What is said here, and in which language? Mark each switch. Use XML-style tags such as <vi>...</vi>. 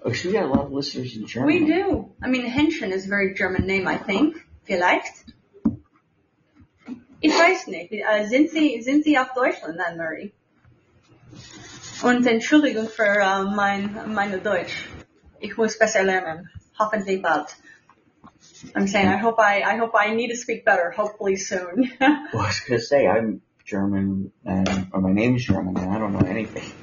<en>Oh, she's got a lot of listeners in Germany. We do. I mean, Henschen is a very German name, I think.</en> <de>Vielleicht. Ich weiß nicht. Sind Sie auf Deutschland, Anne-Marie? Und Entschuldigung für meine Deutsch. Ich muss besser lernen. Hoffentlich bald.</de> <en>I'm saying I hope I need to speak better, hopefully soon. Well, I was going to say, I'm German, or my name is German, and I don't know anything.</en>